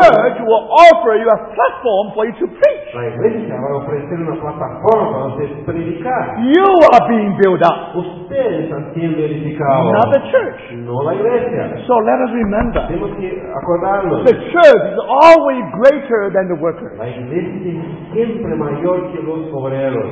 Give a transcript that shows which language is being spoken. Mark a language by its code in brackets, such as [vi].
[en] church will offer you a platform for you to preach. [es] La iglesia va a ofrecer una plataforma para usted predicar. [en] You are being built up. [es] Ustedes están siendo edificados. [en] Not the church. [es] No la iglesia. [en] So let us remember. [es] Tenemos que acordarnos. [en] The church is always greater than the workers. [es] La iglesia es siempre mayor que los obreros.